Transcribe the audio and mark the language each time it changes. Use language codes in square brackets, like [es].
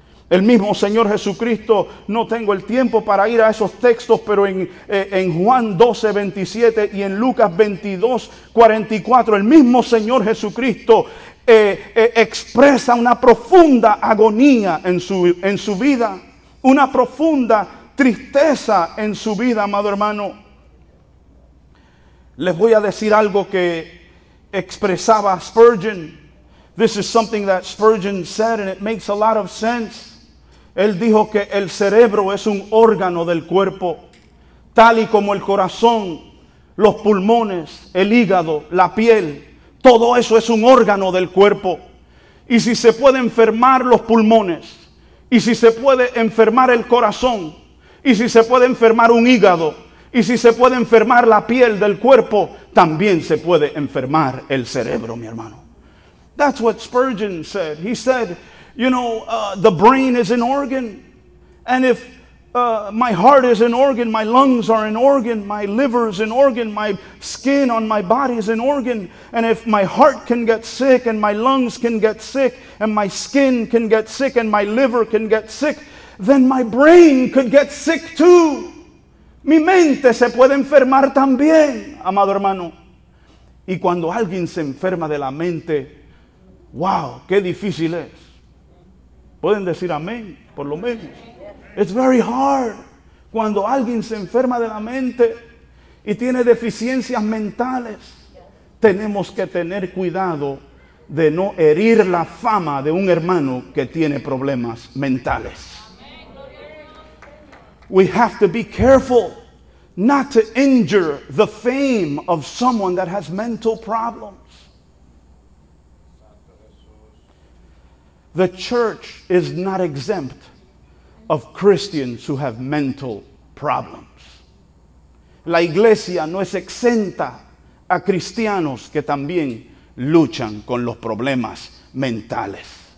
[es] El mismo Señor Jesucristo, no tengo el tiempo para ir a esos textos, pero en Juan 12, 27 y en Lucas 22, 44, el mismo Señor Jesucristo expresa una profunda agonía en su vida, una profunda tristeza en su vida, amado hermano. Les voy a decir algo que expresaba Spurgeon. [en] This is something that Spurgeon said, and it makes a lot of sense. [es] Él dijo que el cerebro es un órgano del cuerpo, tal y como el corazón, los pulmones, el hígado, la piel, todo eso es un órgano del cuerpo. Y si se puede enfermar los pulmones, y si se puede enfermar el corazón, y si se puede enfermar un hígado, y si se puede enfermar la piel del cuerpo, también se puede enfermar el cerebro, mi hermano. [en] That's what Spurgeon said. He said, you know, the brain is an organ. And if my heart is an organ, my lungs are an organ, my liver is an organ, my skin on my body is an organ. And if my heart can get sick and my lungs can get sick and my skin can get sick and my liver can get sick, then my brain could get sick too. [es] Mi mente se puede enfermar también, amado hermano. Y cuando alguien se enferma de la mente, wow, qué difícil es. Pueden decir amén, por lo menos. [en] It's very hard. [es] Cuando alguien se enferma de la mente y tiene deficiencias mentales, tenemos que tener cuidado de no herir la fama de un hermano que tiene problemas mentales. [en] We have to be careful not to injure the fame of someone that has mental problems. The church is not exempt of Christians who have mental problems. [es] La iglesia no es exenta a cristianos que también luchan con los problemas mentales.